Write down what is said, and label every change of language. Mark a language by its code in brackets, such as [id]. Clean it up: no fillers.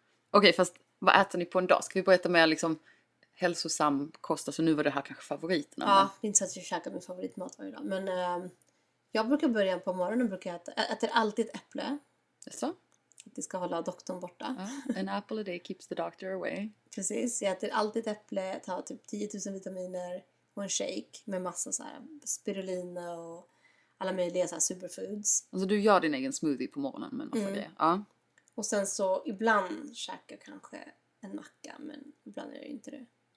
[sv] Okej, fast vad äter ni på en dag? Ska vi börja äta med liksom hälsosam kost? Alltså nu var det här kanske favoriterna. Ja, men... det är inte så att jag käkar min favoritmat varje dag. Men jag brukar börja på morgonen. Brukar jag äter alltid ett äpple. Jaså? Att det ska hålla doktorn borta. [en] An apple a day keeps the doctor away. [sv] Precis, jag äter alltid ett äpple, tar typ 10 000 vitaminer och en shake med massa så här spirulina och alla möjliga så här superfoods. Alltså du gör din egen smoothie på morgonen men varför det? Ja. Och sen så ibland käkar jag kanske en macka men ibland är det inte det.